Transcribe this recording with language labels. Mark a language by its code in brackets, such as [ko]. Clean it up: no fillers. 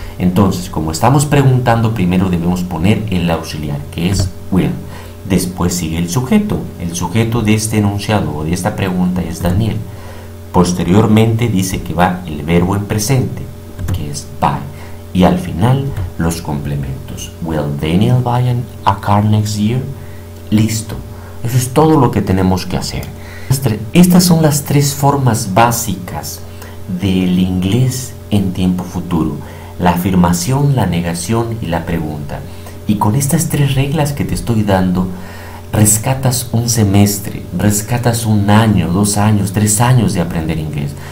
[es] Entonces, como estamos preguntando, primero debemos poner el auxiliar, que es will. Después sigue el sujeto. El sujeto de este enunciado o de esta pregunta es Daniel. Posteriormente dice que va el verbo en presente, que es buy. Y al final, los complementos. [en] Will Daniel buy a car next year? [es] Listo. Eso es todo lo que tenemos que hacer. Estas son las tres formas básicas del inglés en tiempo futuro. La afirmación, la negación y la pregunta. Y con estas tres reglas que te estoy dando, rescatas un semestre, rescatas un año, dos años, tres años de aprender inglés.